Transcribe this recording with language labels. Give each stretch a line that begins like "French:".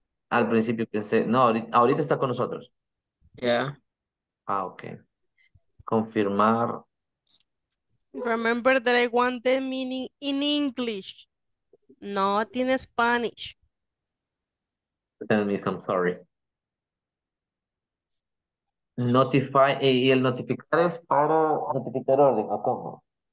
Spanish: Al principio pensé, no, ahorita está con nosotros. Ya. Yeah. Ah, ok. Confirmar.
English: Remember that I want the meaning in English, not in Spanish. Tell me, I'm sorry.
Spanish: Notify, y el notificar es para notificar orden, ¿o cómo?